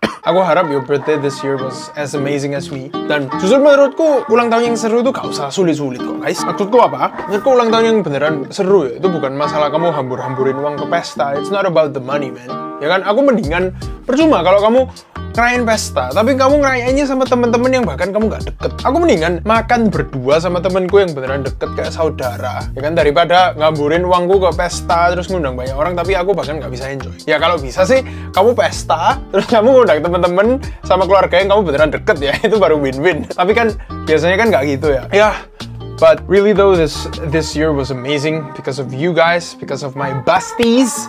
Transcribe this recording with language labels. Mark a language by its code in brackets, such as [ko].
[id] Aku harap [en] your birthday this year was as amazing as me. [id] Dan jujur menurutku, ulang tahun yang seru itu gak usah sulit-sulit kok, guys. Maksudku apa? Menurutku ulang tahun yang beneran seru ya, itu bukan masalah kamu hambur-hamburin uang ke pesta. [en] It's not about the money, man. [id] Ya kan? Aku mendingan percuma kalau kamu ngerayain pesta, tapi kamu ngerayainnya sama temen-temen yang bahkan kamu gak deket. Aku mendingan makan berdua sama temenku yang beneran deket kayak saudara, ya kan, daripada ngamburin uangku ke pesta terus ngundang banyak orang tapi aku bahkan gak bisa enjoy. Ya kalau bisa sih, kamu pesta terus kamu ngundang temen-temen sama keluarga yang kamu beneran deket, ya itu baru win-win. Tapi kan biasanya kan gak gitu ya. [en] Ya, but really though, this year was amazing because of you guys, because of my besties.